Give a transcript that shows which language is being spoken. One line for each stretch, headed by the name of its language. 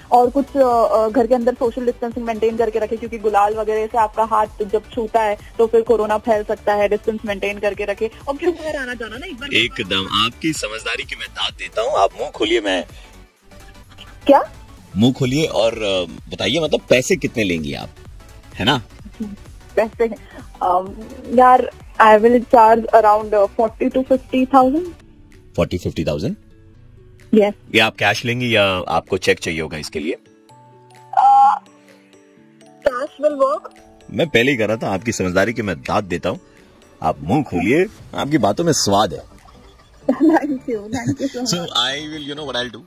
Hindi: और कुछ घर के अंदर सोशल डिस्टेंसिंग मेंटेन करके रखें, क्योंकि गुलाल वगैरह से आपका हाथ जब छूता है तो फिर कोरोना फैल सकता है, डिस्टेंस मेंटेन करके रखें। और क्यों बाहर आना जाना ना, एकदम आपकी समझदारी की मैं दाद देता हूँ, आप मुंह खोलिए, मैं क्या मुंह खोलिए और बताइए, मतलब पैसे कितने लेंगी आप, है ना? पैसे यार
English: I will charge around 40 to 50,000।
Hindi: 40-50,000?
English: Yes।
Hindi: ये आप कैश लेंगी या आपको चेक चाहिए होगा इसके लिए?
English: Cash will work।
Hindi: मैं पहले ही कह रहा था आपकी समझदारी की मैं दाद देता हूँ, आप मुंह खोलिए, आपकी बातों में स्वाद है।
English: Thank you so much.